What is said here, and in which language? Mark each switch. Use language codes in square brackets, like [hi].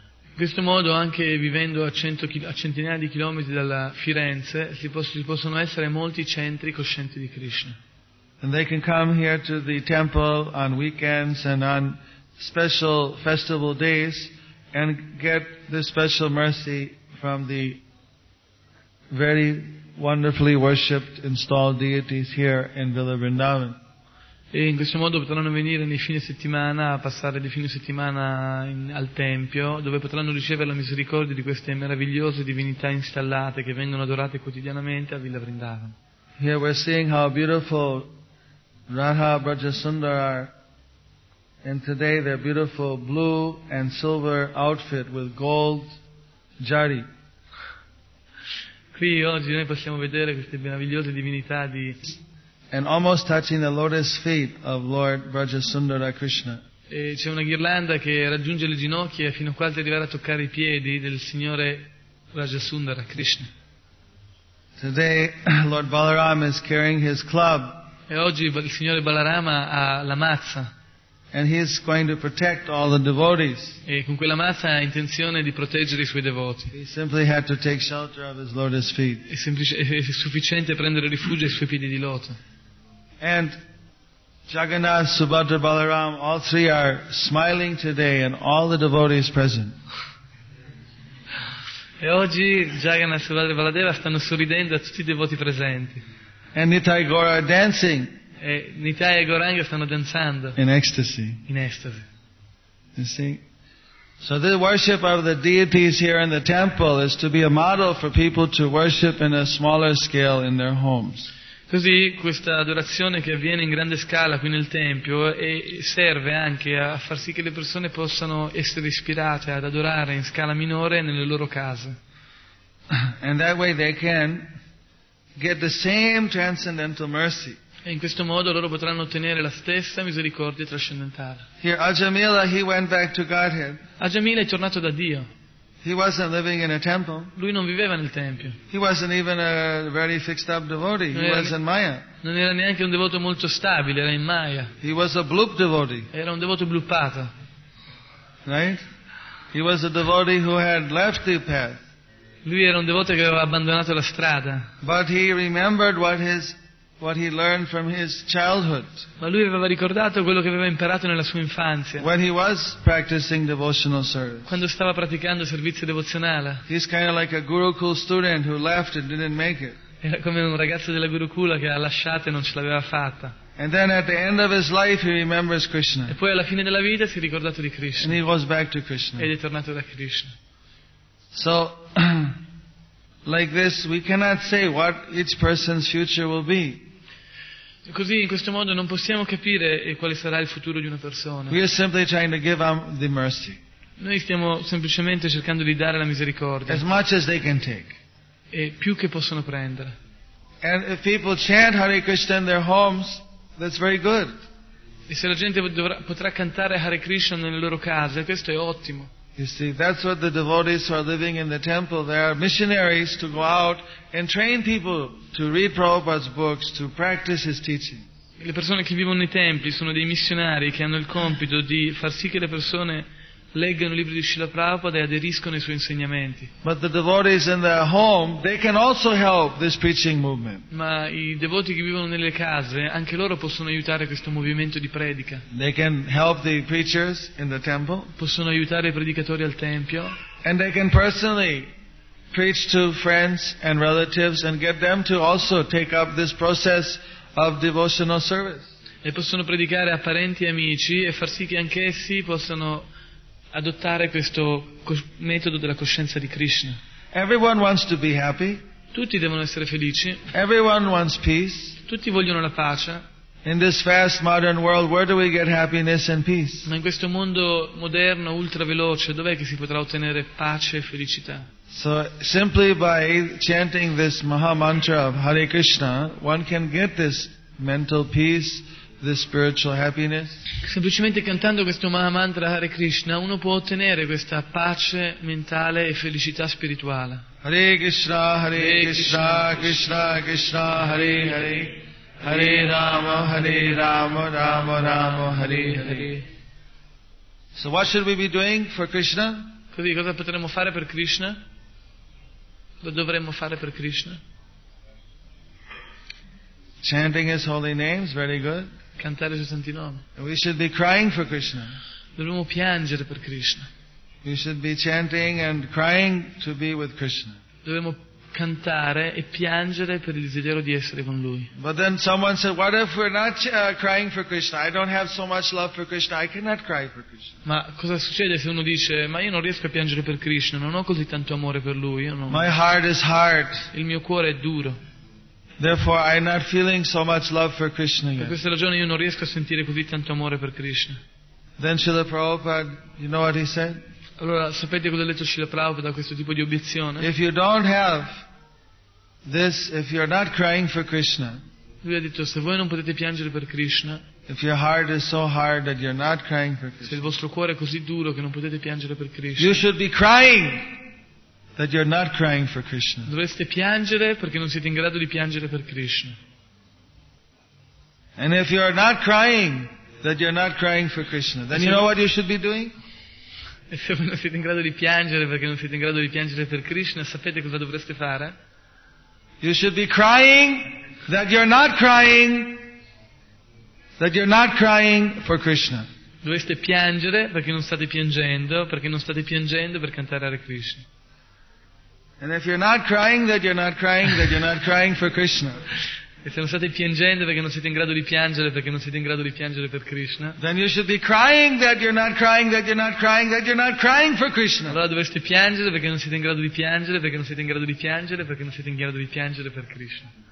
[it] In questo modo, anche vivendo a centinaia di chilometri dalla Firenze, ci possono essere molti centri coscienti di Krishna. [en] And they can come here to the temple on weekends and on special festival days and get this special mercy from the very wonderfully worshipped installed deities here in Villa Vrindavan. [it] E in questo modo potranno venire nei fine settimana a passare di fine settimana al tempio, dove potranno ricevere la misericordia di queste meravigliose divinità installate che vengono adorate quotidianamente a Villa Vrindavan. [en] Here we're seeing how beautiful Radha Brajasundara are. And today their beautiful blue and silver outfit with gold jari. [it] Qui oggi noi possiamo vedere queste meravigliose divinità di. [en] And almost touching the lotus feet of Lord Brajasundara Krishna. [it] E c'è una ghirlanda che raggiunge le ginocchia fino a quasi arrivare a toccare i piedi del signore Brajasundara Krishna. [en] Today Lord Balaram is carrying his club. [it] E oggi il signore Balarama ha la mazza. [en] And he is going to protect all the devotees. [it] E con quella mazza ha intenzione di proteggere i suoi devoti. [en] He simply had to take shelter of his lotus feet. [it] È sufficiente prendere rifugio ai suoi piedi di loto. [en] And Jagannath, Subhadra, Balaram, all three are smiling today, and all the devotees present. [it] E oggi Jagannath, Subhadra, Baladeva stanno sorridendo a tutti i devoti presenti. [en] And Nitai Gora are dancing. [it] E Nitai e Goranga stanno danzando [en] in ecstasy. [it] In estasi. [en] You see? So the worship of the deities here in the temple is to be a model for people to worship in a smaller scale in their homes. [it] Così questa adorazione che avviene in grande scala qui nel tempio e serve anche a far sì che le persone possano essere ispirate ad adorare in scala minore nelle loro case. [en] And that way they can get the same transcendental mercy. [it] E in questo modo loro potranno ottenere la stessa misericordia trascendentale. [en] Here, Ajamila, he went back to Godhead. [it] Ajamila è tornato da Dio. [en] He wasn't living in a temple. [it] Lui non viveva nel tempio. [en] He wasn't even a very fixed up devotee. He was in Maya. [it] Non era neanche un devoto molto stabile, era in Maya. [en] He was a bloop devotee. [it] Era un devoto bluppato. [en] Right? He was a devotee who had left the path. [it] Lui era un devoto che aveva abbandonato la strada. [en] But he remembered what he learned from his childhood. [it] Ma lui aveva ricordato quello che aveva imparato nella sua infanzia. [en] When he was practicing devotional service. [it] Quando stava praticando servizio devozionale. [en] He's kind of like a Gurukul student who left and didn't make it. [it] Era come un ragazzo della Gurukula che ha lasciato e non ce l'aveva fatta. [en] And then at the end of his life he remembers Krishna. [it] E poi alla fine della vita si è ricordato di Krishna. [en] And he goes back to Krishna. [it] Ed è tornato da Krishna. [en] So like this we cannot say what each person's future will be. [it] Così in questo modo non possiamo capire quale sarà il futuro di una persona. [en] We are simply trying to give them the mercy. [it] Noi stiamo semplicemente cercando di dare la misericordia. [en] As much as they can take. [it] E più che possono prendere. [en] And if people chant Hare Krishna in their homes, that's very good. [it] E se la gente potrà cantare Hare Krishna nelle loro case, questo è ottimo. [en] You see, that's what the devotees who are living in the temple, they are missionaries to go out and train people to read Prabhupada's books, to practice his teaching. [it] Le persone che vivono nei templi sono dei missionari che hanno il compito di far sì che le persone leggano i libri di Srila Prabhupada e aderiscono ai suoi insegnamenti. [en] But the devotees in their home, they can also help this preaching movement. [it] Ma i devoti che vivono nelle case, anche loro possono aiutare questo movimento di predica. [en] They can help the preachers in the temple. [it] Possono aiutare i predicatori al tempio. [en] And they can personally preach to friends and relatives and get them to also take up this process of devotional service. [it] E possono predicare a parenti e amici e far sì che anch'essi possano adottare questo metodo della coscienza di Krishna. [en] Everyone wants to be happy. [it] Tutti devono essere felici. [en] Everyone wants peace. [it] Tutti vogliono la pace. [en] In this fast modern world, where do we get happiness and peace? [it] Ma in questo mondo moderno ultra veloce, dov'è che si potrà ottenere pace e felicità? [en] So simply by chanting this Maha Mantra of Hare Krishna, one can get this mental peace, this spiritual happiness. [it] Semplicemente cantando questo Maha Mantra Hare Krishna, uno può ottenere questa pace mentale e felicità spirituale. [sa] Hare Krishna, Hare Krishna, Krishna Krishna, Hare Hare. Hare Rama, Hare Rama, Rama Rama, Hare Hare. [en] So what should we be doing for Krishna? [it] Quindi cosa potremmo fare per Krishna? Lo dovremmo fare per Krishna? [en] Chanting his holy names, very good. [it] Cantare i suoi santi nomi. [en] And we should be crying for Krishna. [it] Dovremmo piangere per Krishna. [en] We should be chanting and crying to be with Krishna. [it] Dovremmo cantare e piangere per il desiderio di essere con lui. [en] But then someone said, what if we're not crying for Krishna? I don't have so much love for Krishna, I cannot cry for Krishna. [it] Ma cosa succede se uno dice, ma io non riesco a piangere per Krishna, non ho così tanto amore per lui, io non... [en] My heart is hard. [it] Il mio cuore è duro. [en] Therefore I'm not feeling so much love for Krishna yet. [it] Per questa ragione io non riesco a sentire così tanto amore per Krishna. [en] Then Srila Prabhupada, you know what he said? [it] Allora, sapete cosa ha detto Srila Prabhupada da questo tipo di obiezione? [en] If you don't have this, if you're not crying for Krishna, [it] lui ha detto, se voi non potete piangere per Krishna, [en] if your heart is so hard that you're not crying for Krishna, [it] se il vostro cuore è così duro che non potete piangere per Krishna, [en] you should be crying that you're not crying for Krishna. [it] Dovreste piangere perché non siete in grado di piangere per Krishna. [en] And if you're not crying that you're not crying for Krishna, then you know what you should be doing? [it] E se voi non siete in grado di piangere perché non siete in grado di piangere per Krishna, sapete cosa dovreste fare? [en] You should be crying that you're not crying, that you're not crying for Krishna. [it] Dovreste piangere perché non state piangendo, perché non state piangendo per cantare Hare Krishna. [en] And if you're not crying that you're not crying, that you're not crying for Krishna. [it] E se non state piangendo perché non siete in grado di piangere, perché non siete in grado di piangere per Krishna, [en] then you should be crying that you're not crying, that you're not crying, that you're not crying for Krishna. [it] Allora dovreste piangere perché non siete in grado di piangere, perché non siete in grado di piangere, perché non siete in grado di piangere per Krishna.